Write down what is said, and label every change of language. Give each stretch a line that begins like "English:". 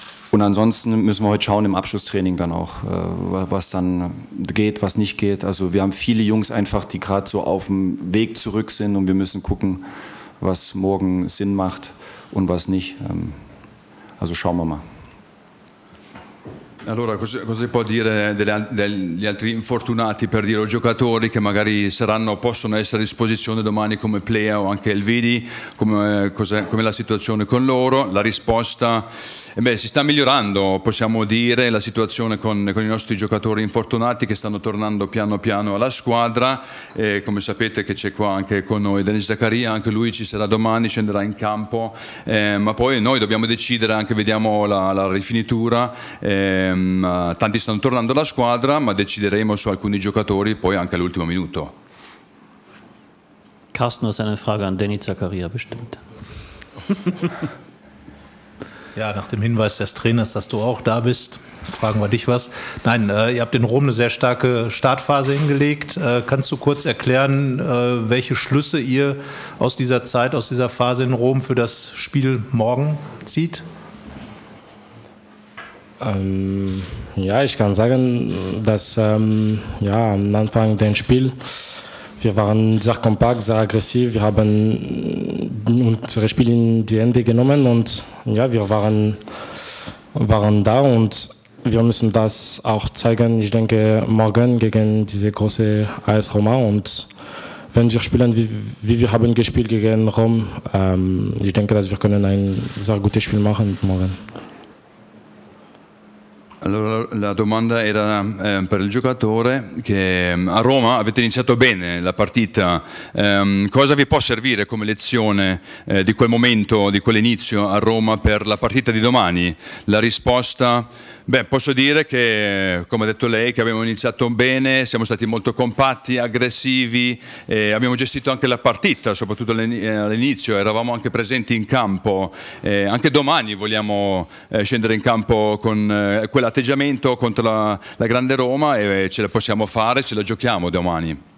German: Und ansonsten müssen wir heute schauen im Abschlusstraining dann auch, was dann geht, was nicht geht. Also wir haben viele Jungs einfach, die gerade so auf dem Weg zurück sind und wir müssen gucken, was morgen Sinn macht und was nicht. Also schauen wir mal.
Italian: Allora, cosa si può dire degli altri infortunati, per dire, o giocatori che magari saranno, possono essere a disposizione domani come Plea o anche Elvidi, come la situazione con loro? La risposta, si sta migliorando, possiamo dire, la situazione con i nostri giocatori infortunati che stanno tornando piano piano alla squadra. E come sapete che c'è qua anche con noi Denis Zakaria, anche lui ci sarà domani, scenderà in campo, ma poi noi dobbiamo decidere, anche vediamo la rifinitura. Tanti stanno tornando alla squadra, ma decideremo su alcuni giocatori poi anche all'ultimo minuto.
German: Carsten hat eine Frage an Denis Zakaria bestimmt. Ja, nach dem Hinweis des Trainers, dass du auch da bist, fragen wir dich was. Nein, ihr habt in Rom eine sehr starke Startphase hingelegt. Kannst du kurz erklären, welche Schlüsse ihr aus dieser Zeit, aus dieser Phase in Rom für das Spiel morgen zieht? Ja, ich kann sagen, dass am Anfang des Spiels, wir waren sehr kompakt, sehr aggressiv, wir haben unser Spiel in die Hände genommen und ja, wir waren da und wir müssen das auch zeigen, ich denke, morgen gegen diese große AS Roma. Und wenn wir spielen, wie wir haben gespielt gegen Rom, ich denke, dass wir können ein sehr gutes Spiel machen morgen.
Italian: Allora la domanda era per il giocatore che a Roma avete iniziato bene la partita, cosa vi può servire come lezione di quel momento, di quell'inizio a Roma per la partita di domani? La risposta, posso dire che come ha detto lei che abbiamo iniziato bene, siamo stati molto compatti, aggressivi, e abbiamo gestito anche la partita, soprattutto all'inizio, eravamo anche presenti in campo, anche domani vogliamo scendere in campo con quella atteggiamento contro la grande Roma e ce la possiamo fare, ce la giochiamo domani.